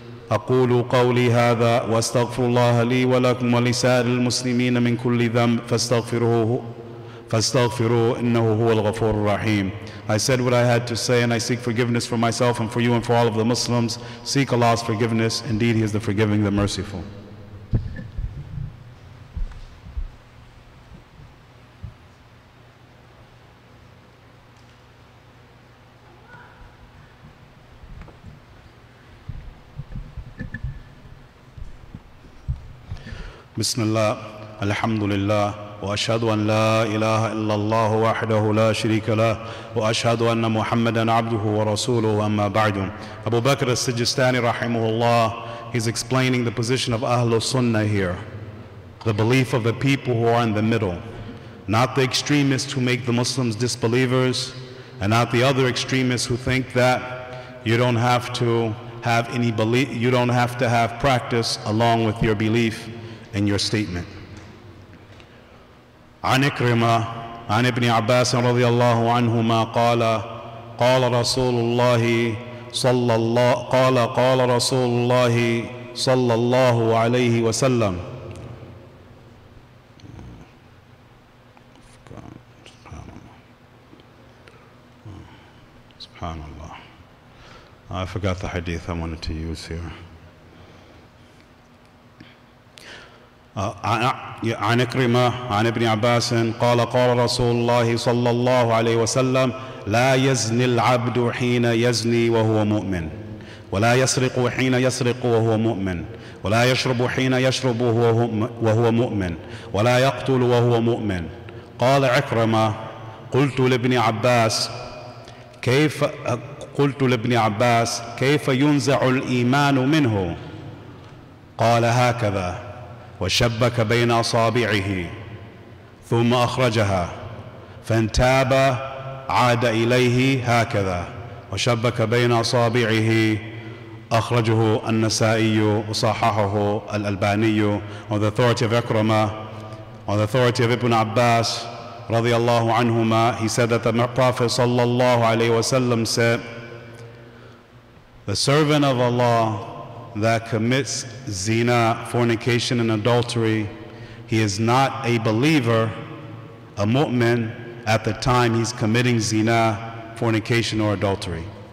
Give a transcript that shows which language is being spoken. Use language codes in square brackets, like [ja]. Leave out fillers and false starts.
[ar] أقول قولي هذا واستغفر الله لي ولكم ولسائر المسلمين من كل ذنب فاستغفروه إنه هو الغفور الرحيم. [en] I said what I had to say and I seek forgiveness for myself and for you and for all of the Muslims. Seek Allah's forgiveness. Indeed, He is the forgiving, the merciful. [ar] بسم الله الحمد لله وأشهد أن لا إله إلا الله وحده لا شريك له وأشهد أن محمدا عبده ورسوله أما بعد. [en] أبو بكر السجستاني [ar] رحمه الله, [en] he's explaining the position of أهل السنة here, the belief of the people who are in the middle, not the extremists who make the Muslims disbelievers and not the other extremists who think that you don't have to have any belief, you don't have to have practice along with your belief in your statement. [ar] عن إكرمة عن ابن عباس رضي الله عنهما قال قال رسول الله صلى الله قال قال رسول الله صلى الله عليه وسلم سبحان الله سبحان الله. [en] I forgot the hadith I wanted to use here. [ar] عن إكرمة عن ابن عباس قال قال رسول الله صلى الله عليه وسلم لا يزني العبد حين يزني وهو مؤمن ولا يسرق حين يسرق وهو مؤمن ولا يشرب حين يشرب وهو مؤمن ولا يقتل وهو مؤمن. قال عكرمة قلت لابن عباس كيف ينزع الإيمان منه؟ قال هكذا وشبك بين أصابعه ثم أخرجها فإن تاب عاد إليه هكذا وشبك بين أصابعه. أخرجه النسائي وصححه الألباني. [en] On the authority of Ikrama, on the authority of Ibn Abbas [ar] رضي الله عنهما, [en] he said that the Prophet [ar] صلى الله عليه وسلم [en] said, the servant of Allah that commits zina, fornication, and adultery, he is not a believer, a mu'min, at the time he's committing zina, fornication, or adultery.